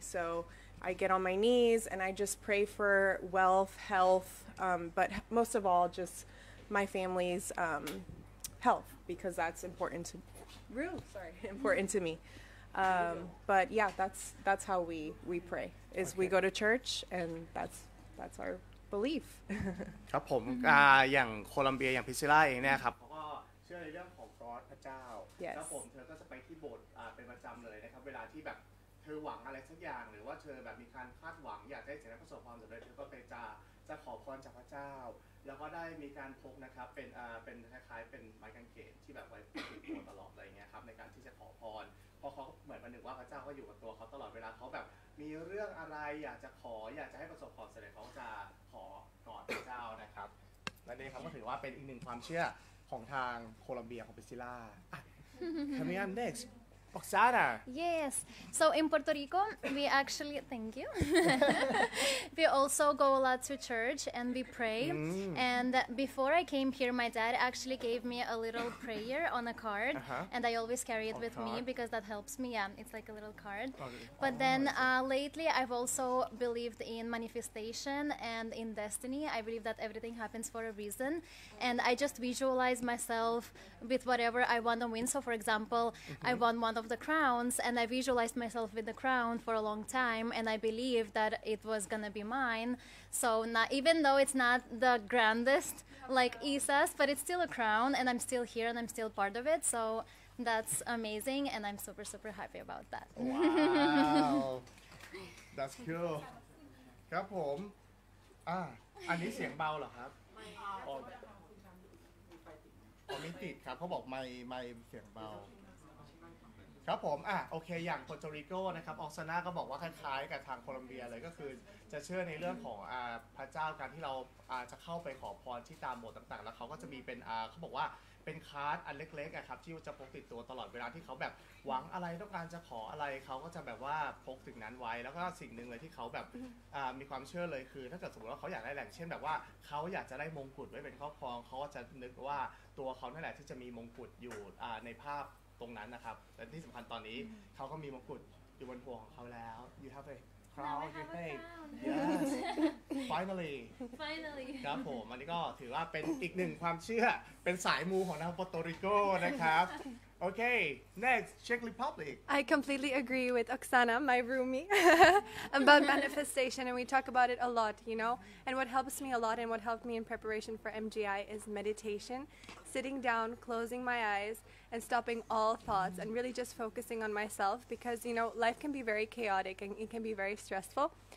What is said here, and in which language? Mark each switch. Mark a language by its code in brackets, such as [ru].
[en] So I get on my knees and I just pray for wealth, health, but most of all, just my family's health, because that's important to me. But yeah, that's how we pray. Is okay. We go to church, and that's our belief. [th] ครับผมอย่างโคลัมเบียอย่างพิซซิล่าเองเนี่ยครับ เขาก็เชื่อในเรื่องของกอดพระเจ้าแล้ วผมเธอก็จะไปที่โบสถ์เป็นประจำเลยนะครับเวลาที่แบบเธอหวังอะไรสักอย่างหรือว่าเธอแบบมีการคาดหวังอยากได้จะได้ประสบความสำเร็จเธอก็ไปจะขอพรจากพระเจ้าแล้วก็ได้มีการพกนะครับเป็นคล้ายๆเป็นไม้กางเขนที่แบบไว้ติดตัวตลอดอะไรเงี้ยครับในการที่จะขอพรเพราะเขาเหมือนมันนึกว่าพระเจ้าก็อยู่กับตัวเขาตลอดเวลาเขาแบบมีเรื่องอะไรอยากจะขออยากจะให้ประสบความสำเร็จเขาจะขอกอดพระเจ้านะครับและนี่ครับก็ถือว่าเป็นอีกหนึ่งความเชื่อของทางโคลัมเบียของปิซิล่า [en] Coming up next Oksana. Yes. So in Puerto Rico, we actually, thank you. We also go a lot to church and we pray. Mm. And before I came here, my dad actually gave me a little prayer on a card. Uh-huh. And I always carry it with me because that helps me. Yeah, it's like a little card. Lately, I've also believed in manifestation and in destiny. I believe that everything happens for a reason. And I just visualize myself with whatever I want to win. So for example, mm-hmm. I won one of the crowns and I visualized myself with the crown for a long time and I believed that it was gonna be mine. So not, even though it's not the grandest like Isa's, but it's still a crown and I'm still here and I'm still part of it. So that's amazing and I'm super, super happy about that. Wow. That's cool. [th] ครับผมอันนี้เสียงเบาเหรอครับไม่ติดครับเขาบอกไม่เสียงเบาครับผมโอเคอย่างปอร์โตริโกนะครับออกซาน่าก็บอกว่าคล้ายๆกับทางโคลอมเบียเลยก็คือจะเชื่อในเรื่องของพระเจ้าการที่เราจะเข้าไปขอพรที่ตามโบสถ์ต่างๆแล้วเขาก็จะมีเป็นเขาบอกว่าเป็นคัสอันเล็กๆครับที่จะพกติดตัวตลอดเวลาที่เขาแบบหวังอะไรต้องการจะขออะไรเขาก็จะแบบว่าพกถึงนั้นไว้แล้วก็สิ่งหนึ่งเลยที่เขาแบบ มีความเชื่อเลยคือถ้าเกิดสมมติว่าเขาอยากได้แหล่งเช่นแบบว่าเขาอยากจะได้มงกุฎไว้เป็นครอบครองเขาก็จะนึกว่าตัวเขานั่นแหละที่จะมีมงกุฎอยู่ในภาพตรงนั้นนะครับและที่สำคัญตอนนี้เขาก็มีมงกุฎอยู่บนหัวของเขาแล้ว [en] you have a crown you think yes finally [th] ครับผมอันนี้ก็ถือว่าเป็นอีกหนึ่งความเชื่อเป็นสายมูของทางปอร์โตริโกนะครับ [en] Okay, next, Czech Republic. I completely agree with Oksana, my roomie, about manifestation, and we talk about it a lot, you know? And what helps me a lot and what helped me in preparation for MGI is meditation, sitting down, closing my eyes, and stopping all thoughts, and really just focusing on myself, because, you know, life can be very chaotic and it can be very stressful.